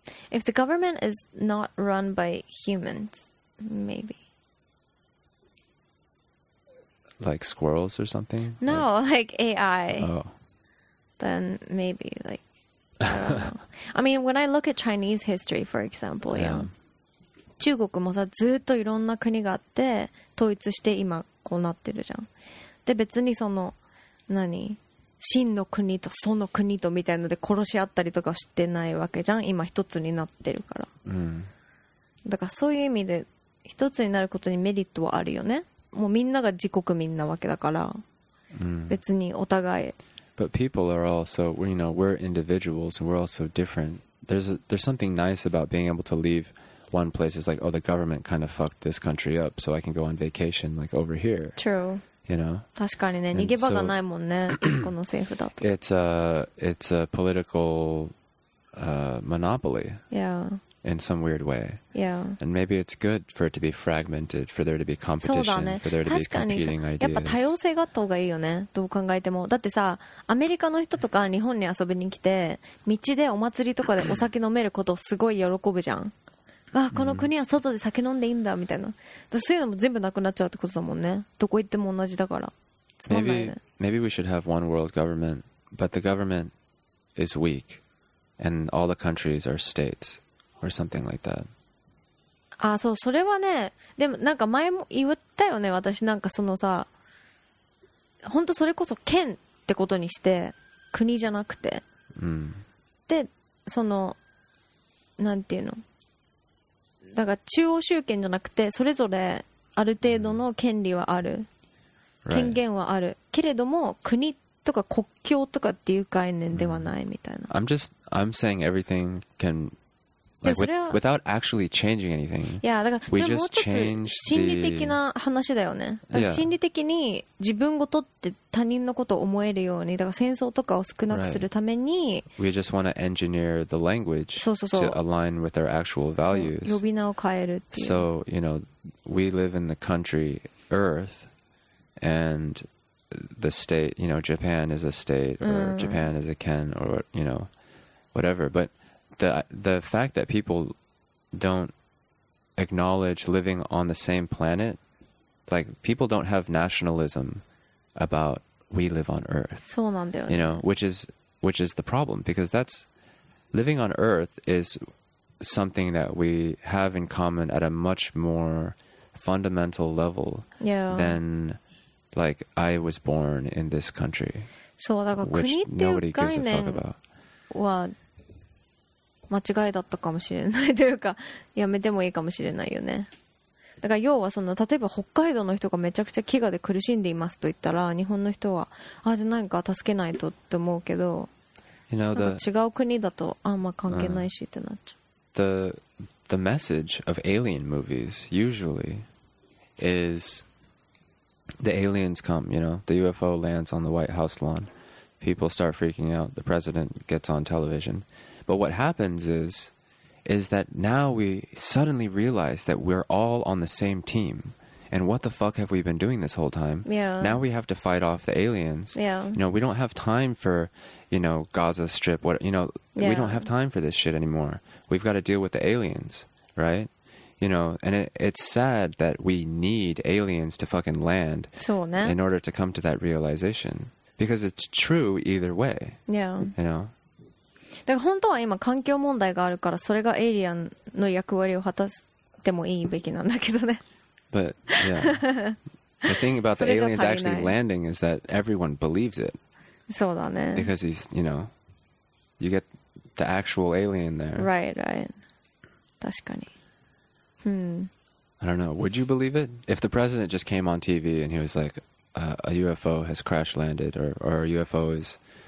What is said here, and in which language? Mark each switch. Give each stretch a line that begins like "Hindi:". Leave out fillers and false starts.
English: If the government is not run by humans, maybe. Like squirrels or something? No, like AI. Oh. Then maybe, like, I don't know. I mean, when I look at Chinese history, for example, yeah.
Japanese: 中国もさずっといろんな国があって統一して今こうなってるじゃん。で別にその何真の国とその国とみたいので殺し合ったりとかしてないわけじゃん。今一つになってるから、だからそういう意味で一つになることにメリットはあるよね。もうみんなが自国民なわけだから、別にお互い。
English: But people are also, you know, we're individuals and we're also different. There's something nice about being able to leaveOne place is like, oh, the government kind of fucked this country up, so I can go on vacation like over here. True. You know.
Japanese: 確かにね、逃げ場がないもんね、この政府だと。
English: It's a political monopoly. Yeah. in some weird way. Yeah. And maybe it's good for it to be fragmented, for there to be competition, for there to be competing ideas.
Japanese: やっぱ多様性があった方がいいよね。どう考えても。だってさ、アメリカの人とか日本に遊びに来て、道でお祭りとかでお酒飲めることすごい喜ぶじゃん。あ、この国は外で酒飲んでいいんだみたいな。だそういうのも全部なくなっちゃうってことだもんね。どこ行っても同じだから。つまんないね。
English: Maybe we should have one world government, but the government is weak, and all the countries are states. Or something like that.
Japanese: ああそう、それはね、でもなんか前も言ったよね、私なんかそのさ、本当それこそ県ってことにして、国じゃなくて、うん、で、その、なんていうの、だから中央集権じゃなくて、それぞれある程度の権利はある、うん、権限はある、
English: right.
Japanese: けれども、国とか国境とかっていう概念ではないみたいな。
English: I'm just, I'm saying everything canLike、without actually changing anything,
Japanese: yeah, だからそれもうちょっと心理的な話だよね。だから心理的に自分ごとって他人のことを思えるように、だから戦争とかを少なくするために、
English: right. We just want to engineer the language to align with our actual values.
Japanese: 呼び名を変えるっていう。
English: So, you know, we live in the country Earth, and the state, you know, Japan is a state, or Japan is a ken, or, you know, whatever, but... The fact that people don't acknowledge living on the same planet, like people don't have nationalism about we live on Earth.
Japanese: そうなんだよね。
English: You know, which is the problem because that's living on Earth is something that we have in common at a much more fundamental level、 yeah. than like I was born in this country.
Japanese: そうだから国っていう概念
English: which nobody gives a fuck about.
Japanese: 間違いだったかもしれないというかやめてもいいかもしれないよね。だから要はその例えば北海道の人がめちゃくちゃ飢餓で苦しんでいますと言ったら日本の人はあじゃあ何か助けないとって思うけど、
English: you know, the,
Japanese: 違う国だとあんま関係ないしってなっちゃう。
English: The message of alien movies usually is the aliens come, you know, the UFO lands on the White House lawn, people start freaking out, the president gets on television. But what happens is that now we suddenly realize that we're all on the same team. And what the fuck have we been doing this whole time? Yeah. Now we have to fight off the aliens. Yeah. You know, we don't have time for, you know, Gaza Strip. What, you know, yeah. We don't have time for this shit anymore. We've got to deal with the aliens, right? You know, and it's sad that we need aliens to fucking land so, in order to come to that realization. Because it's true either way. Yeah. You know?
Japanese: だから本当は今環境問題があるからそれがエイリアンの役割を果たしてもいいべきなんだけどね。
English: But yeah, the thing about the aliens actually landing is that everyone believes it.
Japanese: そうだね。
English: Because he's, you know, you get the actual alien there. Right, right.
Japanese: 確かに。
English: I don't know. Would you believe it if the president just came on TV and he was like, a UFO has crash landed or a UFO is.